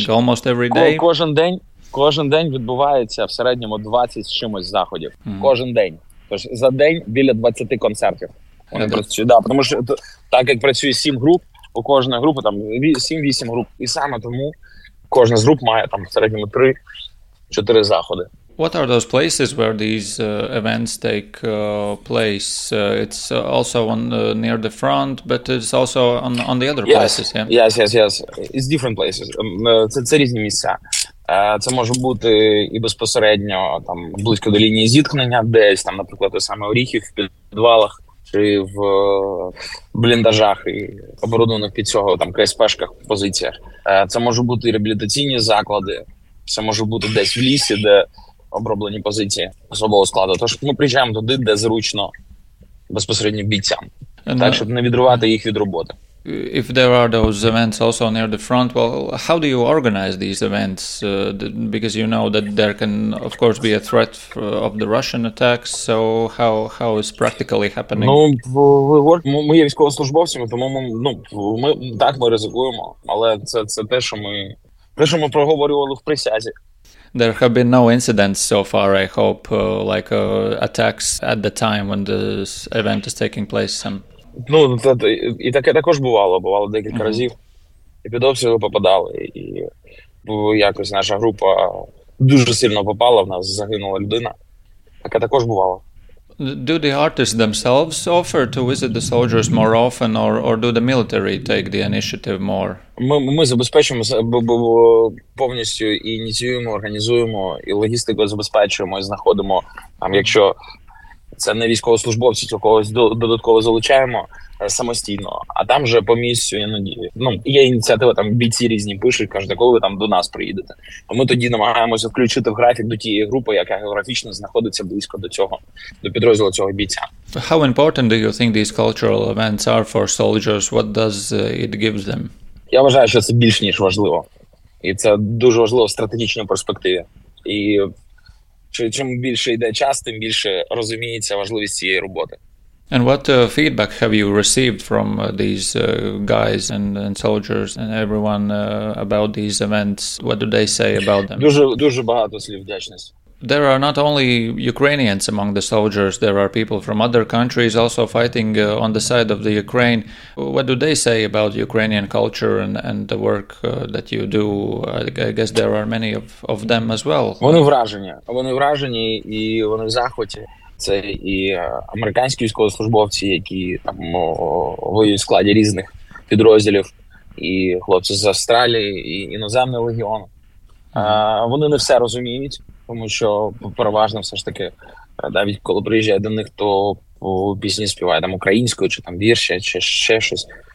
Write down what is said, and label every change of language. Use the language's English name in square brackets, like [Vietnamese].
[English] Almost every day? [Ukrainian] Кожен день відбувається в середньому 20 з чимось заходів. Mm-hmm. Кожен день. Тож за день біля 20 концертів. Тому що так як працює 7 груп, у кожної групи там 7-8 груп. І саме тому кожна з груп має там в середньому 3-4 заходи. [English] What are those places where these events take place? It's also on near the front, but it's also on the other places, yeah? Yes. It's different places. [Ukrainian] Це різні місця. Це може бути і безпосередньо там близько до лінії зіткнення, десь там, наприклад, саме Оріхів в підвалах чи в бліндажах і оборудованих під цього там КСПшках позиціях. Це може бути і реабілітаційні заклади, це може бути десь в лісі, де оброблені позиції особового складу. Тож ми приїжджаємо туди, де зручно безпосередньо бійцям, так щоб не відривати їх від роботи. [English] If there are those events also near the front, well, how do you organize these events? Because you know that there can, of course, be a threat of the Russian attacks. So how is practically happening? [Ukrainian] Ну, ми є військовослужбовцями, тому ми ризикуємо, але це те, що ми проговорювали в присязі. [English] There have been no incidents so far, I hope, like attacks at the time when the event is taking place. [Ukrainian] Ну, і таке також бувало декілька mm-hmm. разів, і під обстріли попадали, і якось наша група дуже сильно попала, в нас загинула людина, таке також бувало. [English] Do the artists themselves offer to visit the soldiers more often, or do the military take the initiative more? [Ukrainian] Ми забезпечуємо, повністю ініціюємо, організуємо, і логістику забезпечуємо, і знаходимо, там, якщо це не військовослужбовці, то когось додатково залучаємо самостійно. А там вже по місцю іноді, ну, є ініціатива, там бійці різні пишуть, кажуть, коли ви там до нас приїдете. А ми тоді намагаємося включити в графік до тієї групи, яка географічно знаходиться близько до цього, до підрозділу цього бійця. [English] How important do you think these cultural events are for soldiers? What does it give them? [Ukrainian] Я вважаю, що це більш ніж важливо. І це дуже важливо в стратегічній перспективі. І чим більше йде час, тим більше розуміється важливість цієї роботи. [English] And what feedback have you received from these guys and soldiers and everyone about these events? What do they say about them? [Ukrainian] Дуже багато слів вдячності. [English] There are not only Ukrainians among the soldiers, there are people from other countries also fighting on the side of the Ukraine. What do they say about Ukrainian culture and the work that you do? I guess there are many of them as well. [Ukrainian] Вони вражені, і вони в захваті. Це і американські військовослужбовці, які там воюють в складі різних підрозділів, і хлопці з Австралії, і іноземний легіон. Вони не все розуміють. Тому що переважно все ж таки, навіть коли приїжджає до них, то пісні співає там українською, чи там вірші, чи ще щось.